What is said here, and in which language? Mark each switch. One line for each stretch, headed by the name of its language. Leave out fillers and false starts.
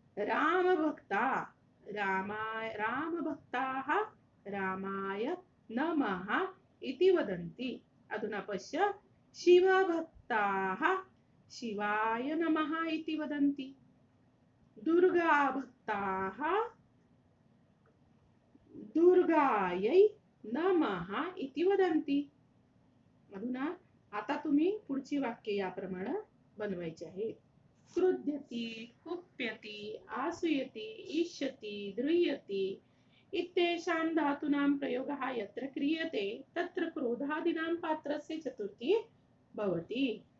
Sanskrit: रामभक्ता रामाय, रामभक्ताः रामाय नमः इति वदन्ति. अधुना पश्य, शिवभक्ताः शिवाय नमः इति वदन्ति. दुर्गाभक्ताः दुर्गायै नमः इति वदन्ति.
Marathi: अधुना आता तुम्ही पुढची वाक्य याप्रमाणे बनवायची आहे.
Sanskrit: क्रुध्यति, कुप्यति, आसुयति, इष्यति, द्रुयति इत्येषां धातूनां प्रयोगः यत्र क्रियते तत्र क्रोधादीनां पात्रस्य चतुर्थी भवति.